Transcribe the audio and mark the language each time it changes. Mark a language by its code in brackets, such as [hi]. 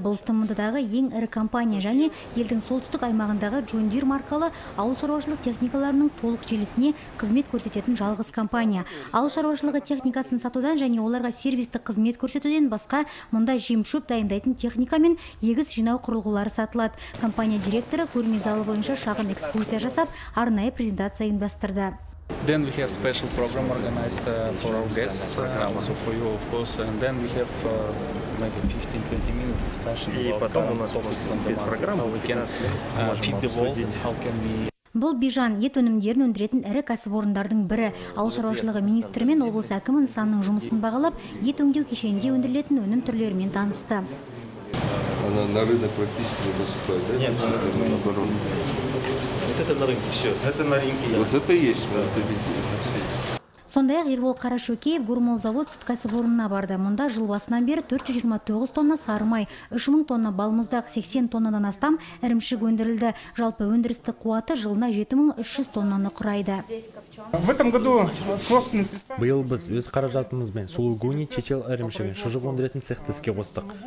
[kk] Бұл ТМД-дағы ең ірі компания және елдің солтүстік аймағындағы John Deere маркалы ауыл шаруашылық техникаларының толық желісіне қызмет көрсететін жалғыз компания. Ауыл шаруашылығы техникасын сатудан және оларға сервистік қызмет көрсетуден басқа мұнда жем-шөп дайындайтын техника мен егіс жинау құрылғылары сатылады. Компания директоры көрме залы бойынша шағын экскурсия жасап, арнайы презентация ұйымдастырды. [en] Then we have special program organized for our guests, also for you, of course. And then we have maybe 15-20 minutes discussion about current topics on the market. How we can feed the world and how can we... [kk] Бұл Бижан ет өнімдерін өндіретін ірі кәсіпорындардың бірі. Ауыл шаруашылығы министрі мен облыс әкімі нысанның жұмысын бағалап, ет өңдеу кешенінде өндірілетін өнім түрлерімен танысты. [ru] Она, наверное, практически доступна, да? Нет, наоборот. Вот это на рынке все. Это на рынке. Вот это есть, да. Вот это видите. [kk] Сондай Ербол Карашокеев Гурмал завод суткасы борынна барды. Мұнда жыл басынан бер 429 тонна сарымай, 3000 тонна балмұздақ, 80 тоннадан астам ірімшік өндірілді. Жалпы өндірісті қуаты жылына 7300 тоннаны құрайды. Биыл біз өз қаражатымызмен Сулугуни чечел ірімшігін шұжық өндіретін цехті іске қостық.